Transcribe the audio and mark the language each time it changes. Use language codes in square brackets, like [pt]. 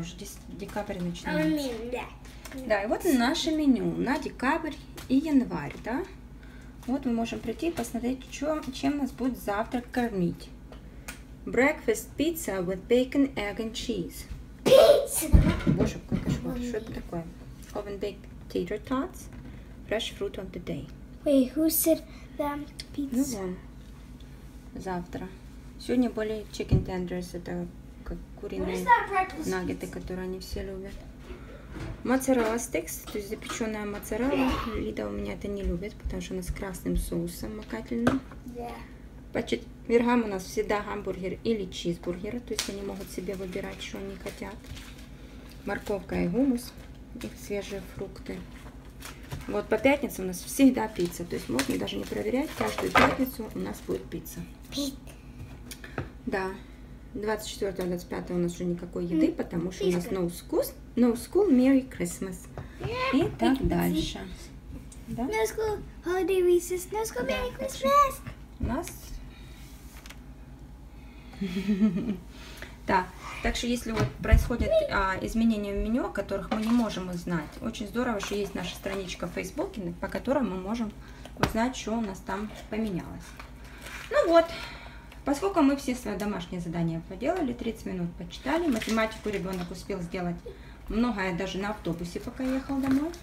[ru] Уже декабрь начинается. [en] I mean, yeah. [ru] Да, и вот наше меню на декабрь и январь, да? Вот мы можем прийти и посмотреть, чем нас будет завтрак кормить. [en] Breakfast pizza with bacon, egg and cheese. Pizza! [ru] Боже, какой кошмар, что это такое? [en] Oven baked tater tots, fresh fruit of the day. Wait, who said that pizza? [ru] Ну, вон, завтра. Сегодня были [en] chicken tenders, [ru] это как куриные наггеты, которые они все любят. Моцарелла стикс, то есть запеченная моцарелла. Лида у меня это не любит, потому что она с красным соусом макательным. Да. По четвергам у нас всегда гамбургер или чизбургер, то есть они могут себе выбирать, что они хотят. Морковка и гумус, и свежие фрукты. Вот по пятницам у нас всегда пицца, то есть можно даже не проверять, каждую пятницу у нас будет пицца. Да. 24-25 у нас уже никакой еды, потому что у нас [en] no school, no school, Merry Christmas. [ru] И так дальше. Да? [en] No school, holiday recess, no school, Merry Christmas. [ru] У нас... Да. Так что если вот происходят изменения в меню, о которых мы не можем узнать, очень здорово, что есть наша страничка в Фейсбуке, по которой мы можем узнать, что у нас там поменялось. Ну вот, поскольку мы все свои домашние задания поделали, 30 минут почитали, математику ребенок успел сделать многое, даже на автобусе, пока ехал домой.